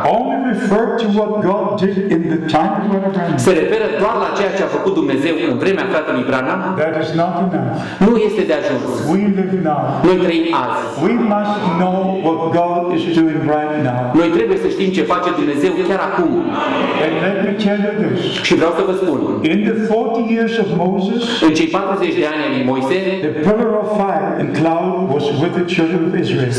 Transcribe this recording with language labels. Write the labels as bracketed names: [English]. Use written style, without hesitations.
[English] only refer to what God did in the time of Abraham, [Romanian] se referă doar la ceea ce a făcut Dumnezeu în vremea fratelui Branham, [English] that is not enough. [Romanian] Nu este de ajuns. [English] We live now. [Romanian] Noi trăim azi. [English] We must know what God is doing right now. [Romanian] Noi trebuie să știm ce face Dumnezeu chiar acum. [English] And let me tell you this. [Romanian] Și vreau să vă spun. [English] In the 40 years of Moses, [Romanian] în cei 40 de ani ai lui Moise, [English] the pillar of fire and cloud was with the children of Israel.